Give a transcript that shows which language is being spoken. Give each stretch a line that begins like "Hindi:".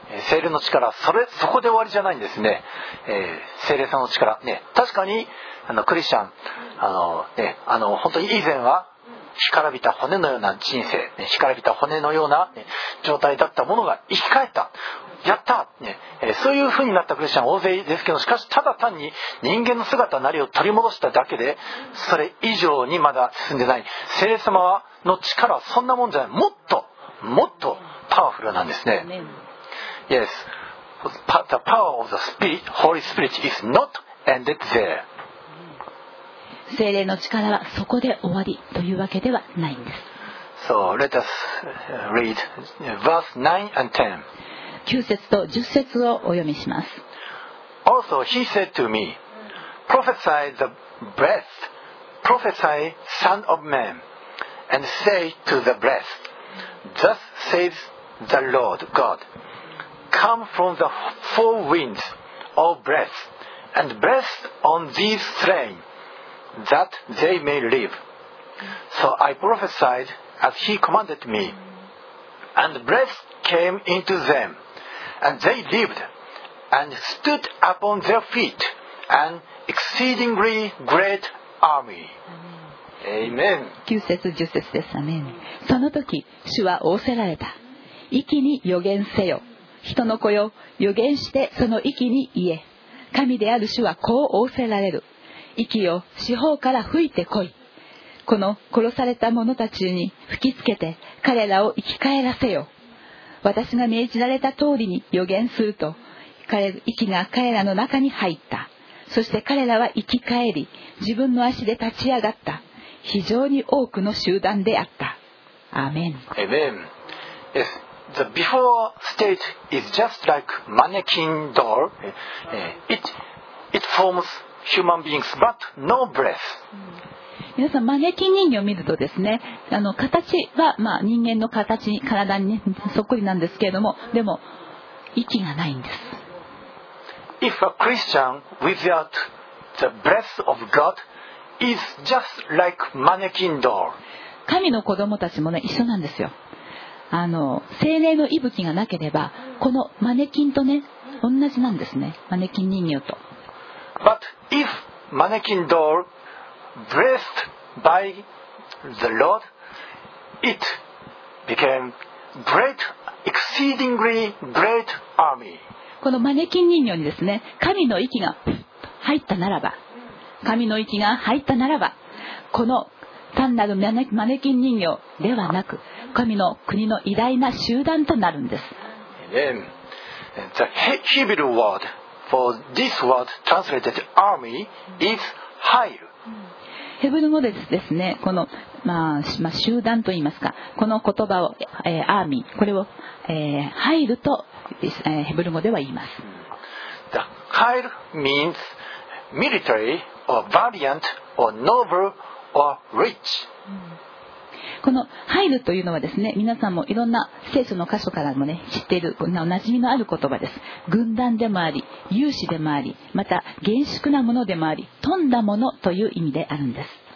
Japanese: 聖霊の力、そこで終わりじゃないんですね。聖霊さんの力、ね、確かにあのクリスチャン、ね、本当に以前は干からびた骨のような人生、ね、干からびた骨のような、ね、状態だったものが生き返った、やった、ね、そういう風になったクリスチャン大勢ですけど、しかしただ単に人間の姿なりを取り戻しただけで、それ以上にまだ進んでない。聖霊様の力はそんなもんじゃない、もっともっとパワフルなんですね。
English: Yes, the power of the Spirit, Holy Spirit is not ended there.
Japanese: 聖霊の力はそこで終わりというわけではないんです。
English: So let us read verse 9 and 10.
Japanese: 9節と10節をお読みします。
English: Also he said to me, Prophesy the breath, prophesy son of man, and say to the breath, Thus says the Lord God. Come from the four winds, O breath, and breath on these slain, that they may live. So I prophesied as he commanded me, and breath came into them, and they lived, and stood upon their feet, an exceedingly great army. Amen.
Japanese: 9節10節です。アメン。その時、主は仰せられた。息に予言せよ。人の子よ、予言してその息に言え。神である主はこう仰せられる。息を四方から吹いてこい。この殺された者たちに吹きつけて彼らを生き返らせよ。私が命じられた通りに予言すると、息が彼らの中に入った。そして彼らは生き返り、自分の足で立ち上がった。非常に多くの集団であった。アーメン。アーメン。
English: The before state is just like mannequin doll. It forms human beings, but no breath.
Japanese: 皆さん、マネキン人形を見るとですね、形は、人間の形、体にそっくりなんですけれども、でも息がないんです。
English: If a Christian without the breath of God is just like mannequin doll.
Japanese: 神の子供たちも、ね、一緒なんですよ。聖霊の息吹がなければこのマネキンとね同じなんですね、マネキン人形と。
English: But if mannequin doll blessed by the Lord, it became great, exceedingly great army.
Japanese: このマネキン人形にですね、神の息が入ったならば、神の息が入ったならば、この単なるマネキン人形ではなく、神の国の偉大な集団となるんです。
English: Amen. The Hebrew word for this word translated army is hail.
Japanese: ヘブル語でですね、この、集団といいますか、この言葉を、アーミー、これを、ハイルと、ヘブル語では言います。
English: The hail means military or valiant or noble. Or rich.
Japanese: このハイルというのはですね、皆さんもいろんな聖書の箇所からもね知っている、こんなおなじみのある言葉です。軍団でもあり、勇士でもあり、また厳粛なものでもあり、富んだものという意味であるんです。